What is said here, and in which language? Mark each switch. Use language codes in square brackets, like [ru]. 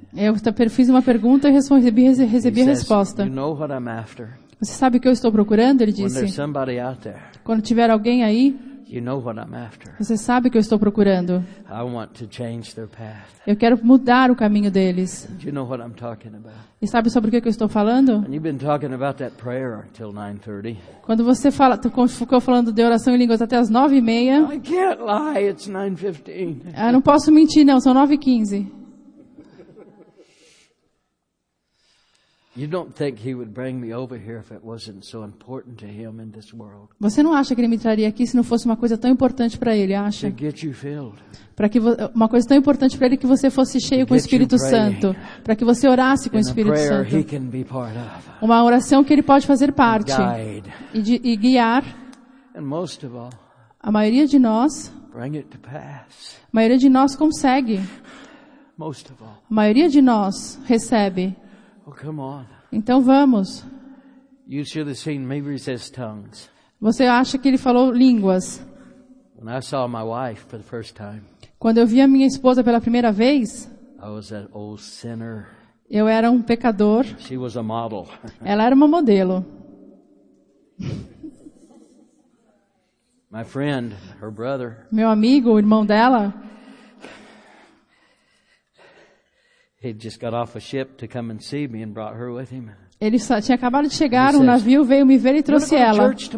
[pt] Eu fiz uma pergunta e recebi a resposta. [en] You know what I'm after. [pt] Você sabe o que eu estou procurando? Ele disse. [en] When there's somebody out there. [pt] Quando tiver alguém aí. [en] You know what I'm after. [pt] Você sabe o que eu estou procurando. [en] I want to change their path. [pt] Eu quero mudar o caminho deles. [en] Do you know what I'm talking about? [pt] E sabe sobre o que eu estou falando? [en] And you've been talking about that prayer until 9:30. [pt] Quando você fala, ficou falando de oração em línguas até as 9:30. [en] I can't lie, it's 9:15. [pt] Eu não posso mentir, não, são 9:15. [en] You don't think he would bring me over here if it wasn't so important to him in this world? [pt] Você não acha que ele me traria aqui se não fosse uma coisa tão importante para ele, acha? [en] To get you filled. [pt] Para que uma coisa tão importante para ele que você fosse cheio com o Espírito Santo, para que você orasse com o Espírito Santo. [en] He can be part of. [pt] Uma oração que ele pode fazer parte. E guiar. [en] And most of all, [pt] a maioria de nós. [en] Bring it to pass. [pt] A maioria de nós consegue. [en] Most of all, [pt] a maioria de nós recebe. [en] Oh, come on. [pt] Então vamos. [en] You should have seen me resist tongues. [pt] Você acha que ele falou línguas? [en] When I saw my wife for the first time, [pt] quando eu vi a minha esposa pela primeira vez, [en] I was an old sinner. [pt] Eu era um pecador. [en] She was a model. [pt] Ela era uma modelo. [en] My friend, her brother, [pt] meu amigo, o irmão dela, ele só tinha acabado de chegar, um navio veio me ver e trouxe ela.